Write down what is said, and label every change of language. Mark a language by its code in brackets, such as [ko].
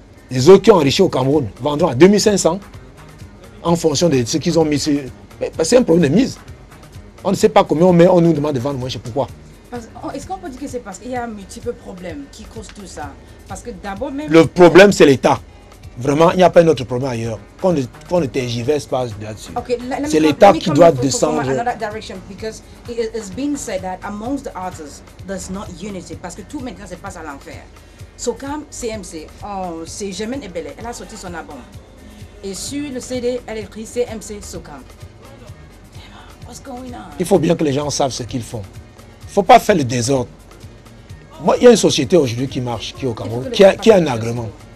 [fr] Les autres qui ont enrichi au Cameroun vendront à 2500 en fonction de ce qu'ils ont mis. C'est un problème de mise. On ne sait pas combien on met, on nous demande de vendre moins cher. Pourquoi? Est-ce qu'on peut dire que c'est parce qu'il y a multiples problèmes qui causent tout ça? Parce que d'abord même... Le problème, c'est l'État. Vraiment, il n'y a pas un autre problème ailleurs. Qu'on ne tergiverse pas là-dessus. Okay, c'est l'État qui doit descendre. [en] Because it has been said that amongst the artists, there's not unity. [fr] Parce que tout maintenant, c'est passé à l'enfer. So, quand CMC, c'est Germaine Ebele, elle a sorti son album. Et sur le CD, elle a écrit CMC Sokam. [en] What's going on? [fr] Il faut bien que les gens savent ce qu'ils font. Il ne faut pas faire le désordre. Moi, il y a une société aujourd'hui qui marche, qui est au Cameroun, qui a un agrément.